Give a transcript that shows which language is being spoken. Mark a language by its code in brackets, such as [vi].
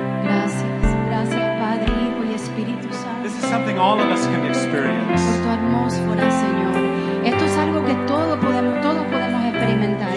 [es] Gracias, gracias Padre, Hijo y Espíritu Santo. [en] This is something all of us can experience. [es] Por tu atmósfera, Señor. Esto es algo que todos podemos experimentar.